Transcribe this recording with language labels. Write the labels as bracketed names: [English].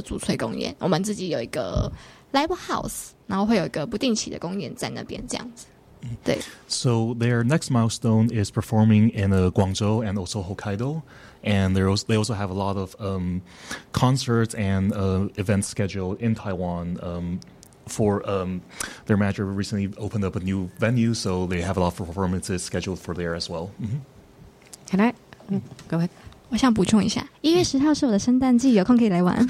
[Chinese] 之后我们会去广州跟北海道，然后就回台湾之后，我们也会有蛮多的主催公演。我们自己有一个 live house， 然后会有一个不定期的公演在那边这样子。对. [English] So their next milestone is performing in Guangzhou and also Hokkaido, and they also have a lot of concerts and events scheduled in Taiwan. For their manager recently opened up a new venue, so they have a lot of performances scheduled for there as well. Mm-hmm. Can I go ahead? [Chinese] 我想补充一下， 1月10号是我的圣诞季， 有空可以来玩。